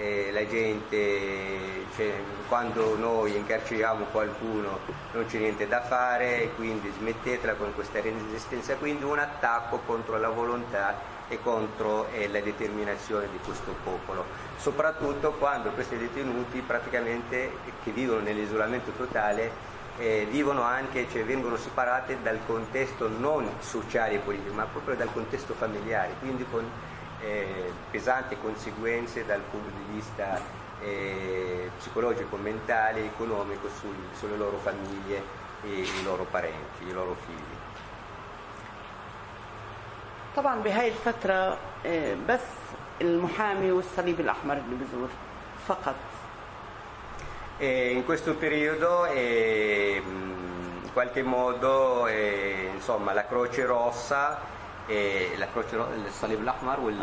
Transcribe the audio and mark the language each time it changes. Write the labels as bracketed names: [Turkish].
[Italian] la gente, cioè, quando noi incarceriamo qualcuno non c'è niente da fare, quindi smettetela con questa resistenza, quindi un attacco contro la volontà e contro la determinazione di questo popolo, soprattutto quando questi detenuti praticamente che vivono nell'isolamento totale vivono anche, cioè vengono separate dal contesto non sociale e politico ma proprio dal contesto familiare, quindi con pesanti conseguenze dal punto di vista psicologico, mentale, economico sulle loro famiglie e i loro parenti, i loro figli. [Arabic] طبعا بهاي الفترة بس المحامي والصليب الأحمر اللي بزور فقط. [Italian] In questo periodo in qualche modo insomma la Croce Rossa e la Croce الصليب الأحمر